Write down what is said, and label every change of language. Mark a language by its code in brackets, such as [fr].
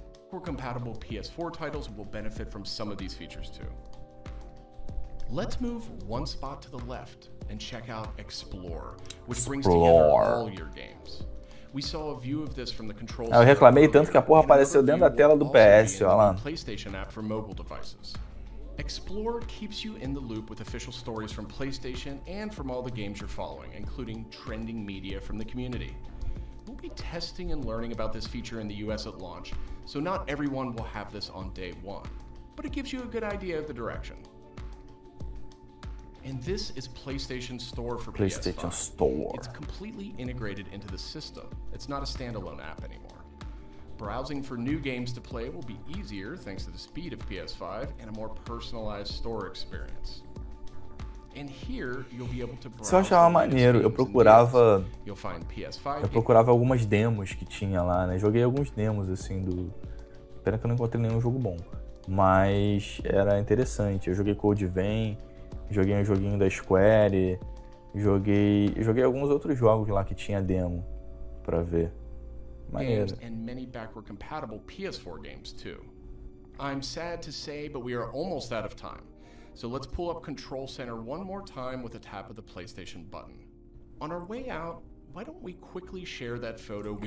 [en] Compatible PS4 titles will benefit from some of these features too. Let's move one spot to the left and check out Explore, which brings together all your games. We saw a view of this from the control. [pt] Eu reclamei tanto que a porra apareceu dentro da tela do PS, ó lá. [en] PlayStation app for mobile devices. Explore keeps you in the loop with official stories from PlayStation and from all the games you're following, including trending media from the community. We'll be testing and learning about this feature in the US at launch, so not everyone will have this on day one, but it gives you a good idea of the direction. And this is PlayStation Store for PlayStation PS5. Store. It's completely integrated into the system. It's not a standalone app anymore. Browsing for new games to play will be easier thanks to the speed of PS5 and a more personalized store experience. And here you'll be able to browse. [pt] Isso eu achava maneiro. Eu procurava algumas demos que tinha lá, né? Joguei alguns demos assim do. Pena que eu não encontrei nenhum jogo bom. Mas era interessante. Eu joguei Code Vein, joguei um joguinho da Square, joguei alguns outros jogos lá que tinha demo pra ver. [en] Games and many backward compatible PS4 games too. I'm sad to say, but we are almost out of time. So let's pull up Control Center one more time with a tap of the PlayStation button. On our way out, why don't we quickly share that photo we